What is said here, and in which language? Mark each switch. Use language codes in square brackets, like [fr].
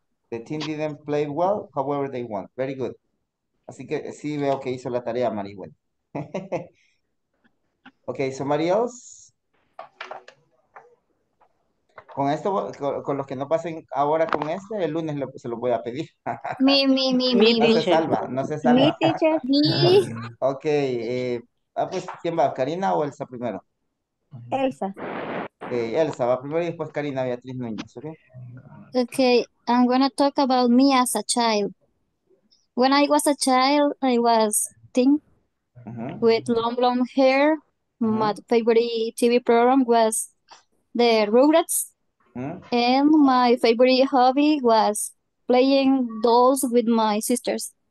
[en] The team didn't play well, however they want. Very good. [es] Así que sí veo que hizo la tarea, Maria Wendy. [en] Okay, somebody else? [es] Con esto, con los que no pasen ahora con este, el lunes se lo voy a pedir. [en] Me. [es] No se salva. [en] Me, teacher. [es] Okay, Ah, pues, ¿quién va? ¿Karina o Elsa primero? Elsa. Okay, Elsa va primero y después Karina Beatriz Núñez, ¿ok? [en] Okay, I'm going to talk about me as a child. When I was a child, I was thin, uh-huh, with long, long hair. Uh-huh. My favorite TV program was the Rugrats. Uh-huh. And my favorite hobby was playing dolls with my sisters.